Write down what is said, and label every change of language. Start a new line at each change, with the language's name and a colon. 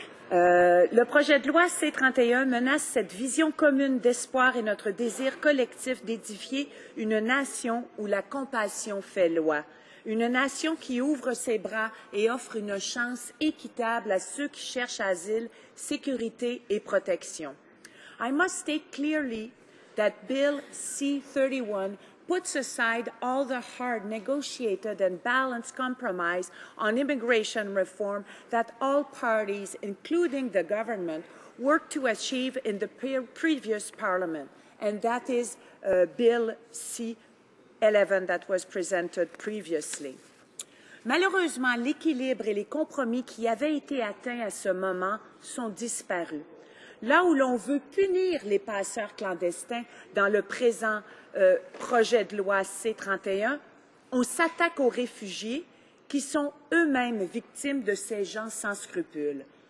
French: Le projet de loi C-31 menace cette vision commune d'espoir et notre désir collectif d'édifier une nation où la compassion fait loi, une nation qui ouvre ses bras et offre une chance équitable à ceux qui cherchent asile, sécurité et protection.
English: I must state clearly that Bill C-31 puts aside all the hard negotiated and balanced compromise on immigration reform that all parties, including the government, worked to achieve in the previous parliament. And that is Bill C-11 that was presented previously.
French: Malheureusement, l'équilibre et les compromis qui avaient été atteints à ce moment sont disparus. Là où l'on veut punir les passeurs clandestins dans le présent projet de loi C-31, on s'attaque aux réfugiés qui sont eux-mêmes victimes de ces gens sans scrupules.